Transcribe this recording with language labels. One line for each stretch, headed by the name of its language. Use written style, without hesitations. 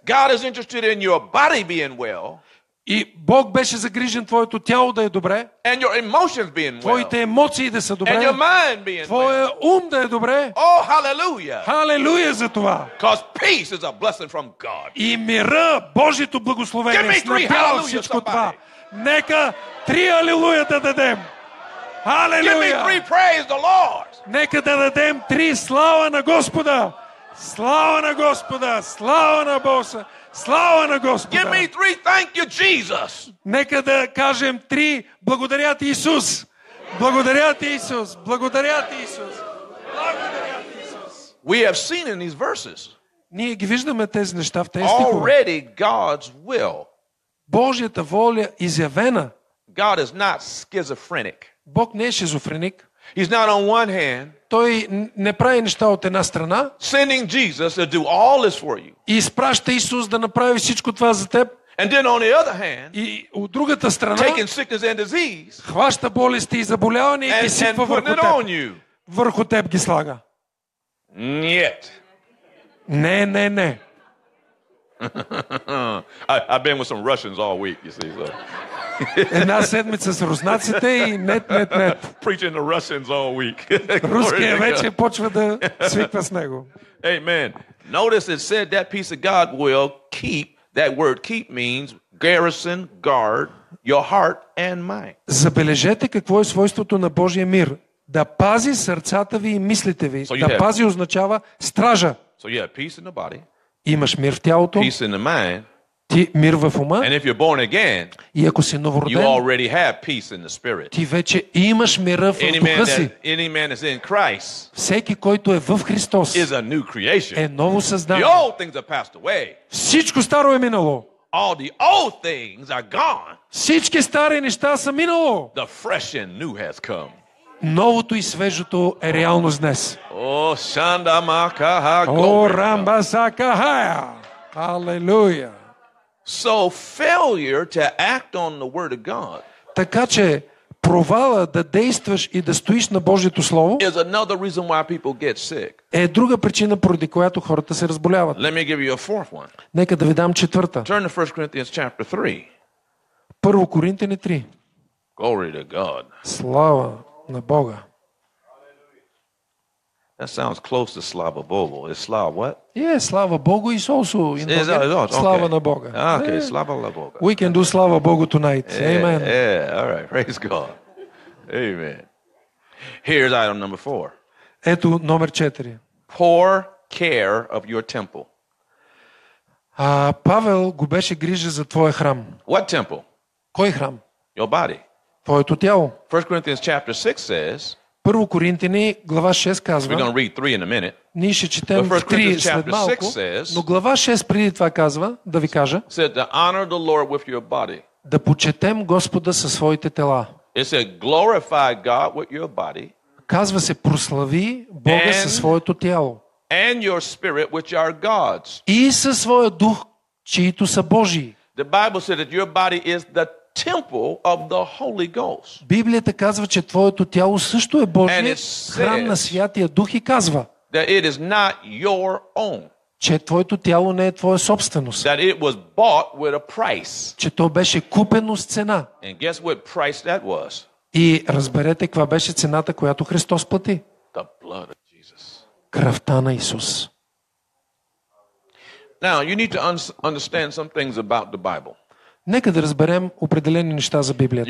English: God is interested in your body being well.
Bulgarian: И Бог беше загрижен твоето тяло да е добре.
English: And your emotions being well.
Bulgarian: Твоите емоции да са добре.
English: And your mind being
Bulgarian: твоя
English: well.
Bulgarian: Ум да е добре.
English: Oh, hallelujah.
Bulgarian: Hallelujah за това.
English: Cause peace is a blessing from God.
Bulgarian: И мира, Божието благословение, снабдява всичко това. Нека три алилуя да дадем. Hallelujah.
English: Give me three praise the Lord.
Bulgarian: Нека да дадем три слава на Господа. Слава на Господа. Слава на Боса. Слава на Господа.
English: Give me three thank you Jesus.
Bulgarian: Нека да кажем три благодаря ти Исус. Благодаря ти Исус. Благодаря ти Исус. Благодаря ти Исус.
English: We have seen in these verses.
Bulgarian: Ние ги виждаме тези неща в тези стихове.
English: Already God's will.
Bulgarian: Божията воля изявена.
English: God is not schizophrenic.
Bulgarian: Бог не е шизофреник.
English: He's not on one hand.
Bulgarian: Той не прави неща от една страна.
English: Sending Jesus to do all this for you.
Bulgarian: Изпраща Исус да направи всичко това за теб.
English: And then on the other hand.
Bulgarian: И от другата страна.
English: Taking sickness and disease.
Bulgarian: Хваща болести и заболявания и ги сипва върху теб.
English: On you.
Bulgarian: Върху теб ги слага.
Russian: Нет.
Bulgarian: Не, не, не.
English: I've been with some Russians all week, you see, so.
Bulgarian: една седмица с руснаците и нет.
English: Preaching to Russians all week.
Bulgarian: Руският вече почва да свиква с него.
English: Amen. Notice it said that peace of God will keep. That word keep means garrison, guard your heart and mind.
Bulgarian: Забележете какво е свойството на Божия мир. Да пази сърцата ви и мислите ви. Да пази означава стража.
English: So you have peace in the body.
Bulgarian: Имаш мир в тялото.
English: Peace in the mind.
Bulgarian: Ти мир в ума.
English: And if you're born again,
Bulgarian: и ако си новороден,
English: you already have peace in the spirit.
Bulgarian: Ти вече имаш мира в духа си.
English: Any man is in Christ.
Bulgarian: Всеки, който е в Христос,
English: is a new creation.
Bulgarian: Е ново създание.
English: The old things are passed away.
Bulgarian: Всичко старо е минало.
English: All the old things are gone.
Bulgarian: Всички стари неща са минало.
English: The fresh and new has come.
Bulgarian: Новото и свежото е реалност днес. О, Шанда Макаха, о, Рамба Сакахая. Алелуя.
English: So failure to act on the word of God.
Bulgarian: Така че провала да действаш и да стоиш на Божието слово
English: is another reason why people get sick.
Bulgarian: Е друга причина, поради която хората се разболяват.
English: Let me give you a fourth one.
Bulgarian: Нека да ви дам четвърта.
English: Turn to 1 Corinthians chapter 3.
Bulgarian: Първо Коринтяни 3.
English: Glory to God.
Bulgarian: Слава на Бога.
English: That sounds close to
Russian: Slava Bogu.
English: It's Slava what? Yeah,
Russian: Slava Bogu
English: is also in the okay.
Bulgarian: Slava na Boga.
English: Okay, yeah.
Bulgarian: Slava la Boga.
English: We can do
Russian: Slava Bogu
English: tonight. Yeah, amen. Yeah, all right. Praise God. Amen. Here's item number 4.
Bulgarian: Ето номер 4.
English: Poor care of your temple.
Bulgarian: Павел губеше грижа за твоя храм.
English: What temple?
Bulgarian: Кой храм?
English: Your body.
Bulgarian: Твоето тяло.
English: 1 Corinthians chapter 6 says,
Bulgarian: Първо Коринтяни, глава 6 казва,
English: we're going to read 3 in a minute.
Bulgarian: Ние ще четем 3 след малко,
English: says,
Bulgarian: но глава 6 преди това казва, да ви кажа,
English: said, to honor the Lord with your body.
Bulgarian: Да почетем Господа със своите тела.
English: It said, glorify God with your body.
Bulgarian: Казва се, прослави Бога със своето тяло.
English: And your spirit, which are God's.
Bulgarian: И със своя дух, чието са Божии.
English: The Bible said that your body is the temple of the Holy Ghost.
Bulgarian: Библията казва, че твоето тяло също е Божие, храм на Святия Дух, и казва,
English: that it is not your own.
Bulgarian: Че твоето тяло не е твоя собственост.
English: That it was bought with a price.
Bulgarian: Че то беше купено с цена.
English: And guess what price that was?
Bulgarian: И разберете каква беше цената, която Христос плати.
English: The blood of Jesus.
Bulgarian: Кръвта на Исус.
English: Now you need to understand some things about the Bible.
Bulgarian: Нека да разберем определени неща за Библията.